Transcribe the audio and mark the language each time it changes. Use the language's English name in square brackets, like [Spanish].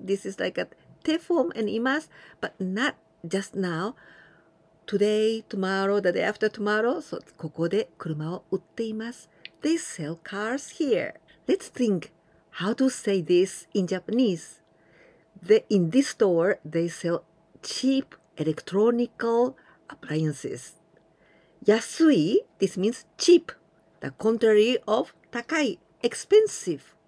[English] This is like a te form and imasu, but not just now. Today, tomorrow, the day after tomorrow. So, [Japanese] ここで車を売っています。 [English] They sell cars here. Let's think how to say this in Japanese. In this store, they sell cheap electronical appliances. 安い, this means cheap, the contrary of 高い, expensive.